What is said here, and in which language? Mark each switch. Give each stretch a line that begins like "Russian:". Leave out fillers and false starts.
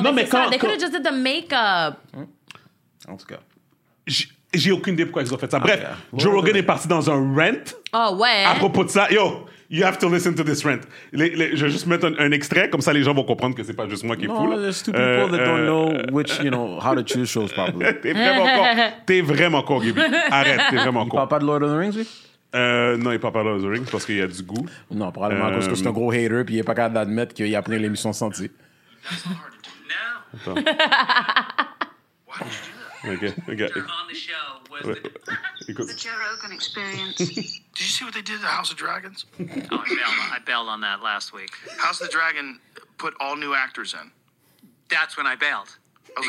French: Non, mais quand.
English: They could have just did the makeup.
French: En tout cas, j'ai aucune idée pourquoi ils ont fait ça. Bref, Joe Rogan est parti dans un rant. Oh ouais. À propos de ça,
English: yo, you have to listen to this rant.
French: Je vais juste mettre un extrait, comme ça les gens vont comprendre que c'est pas juste moi qui est fou.
English: No, there's two people that don't know which, you know, how to choose shows probably.
French: T'es vraiment con, Gabby. Arrête, t'es vraiment con. Il parle pas de Lord of the Rings, lui? Non, il parle pas de Lord of the Rings parce qu'il y a du goût. Non, probablement parce que c'est un gros hater et il est pas capable d'admettre qu'il a appris l'émission sans dire.
English: That's hard to do now. Why did you do that? Okay. On the show, was it the Joe Rogan Experience? Did you see what they did to House of Dragons? Oh, I bailed on that last week. House of the Dragon put all new actors in. That's when I bailed. I was